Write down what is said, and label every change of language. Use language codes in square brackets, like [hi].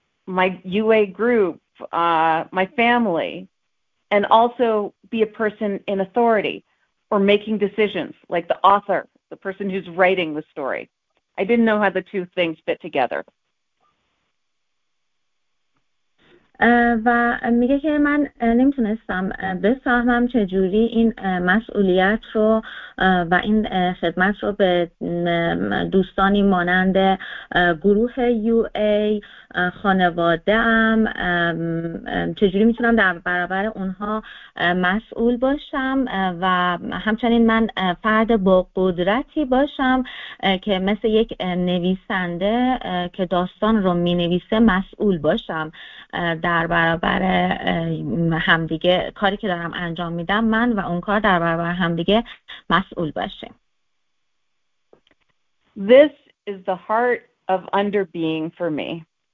[en] my UA group, my family, and also be a person in authority or making decisions, like the author, the person who's writing the story. I didn't know how the two things fit together. [fa] و میگه که من نمیتونستم بفهمم چجوری این مسئولیت رو و این خدمت رو به دوستانی مانند گروه یو ای، خانواده ام، چجوری میتونم در برابر اونها مسئول باشم و همچنین من فرد با قدرتی باشم که مثل یک نویسنده که داستان رو می نویسه مسئول باشم در برابر همدیگه، کاری که دارم انجام میدم من و اون کار در برابر همدیگه مسئول باشیم. [en] This is the heart of underbeing for me.